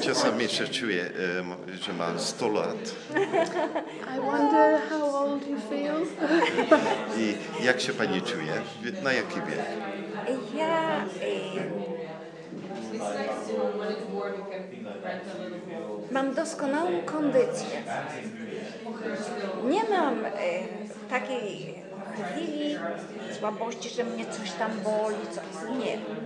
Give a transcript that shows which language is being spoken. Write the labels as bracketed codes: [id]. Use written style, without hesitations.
[pl] Czasami się czuję, że mam 100 lat. [en] I wonder how old you feel. [pl] I jak się pani czuje? Na jaki wiek? Ja mam doskonałą kondycję. Nie mam takiej chwili słabości, że mnie coś tam boli, coś. Nie.